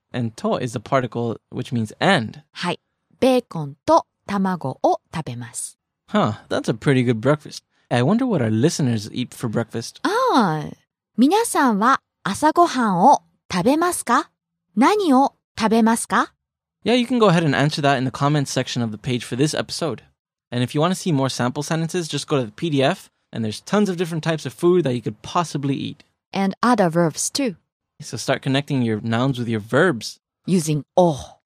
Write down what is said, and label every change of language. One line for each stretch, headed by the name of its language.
English: And to is the particle which means and.
Japanese: はい。Bacon と卵を食べます。
English: Huh, that's a pretty good breakfast. I wonder what our listeners eat for breakfast.
Japanese: Ah, 皆さんは朝ごはんを食べますか? 何を食べますか?
English: Yeah, you can go ahead and answer that in the comments section of the page for this episode. And if you want to see more sample sentences, just go to the PDF, and there's tons of different types of food that you could possibly eat. And other verbs too. So start connecting your nouns with your verbs. Using お.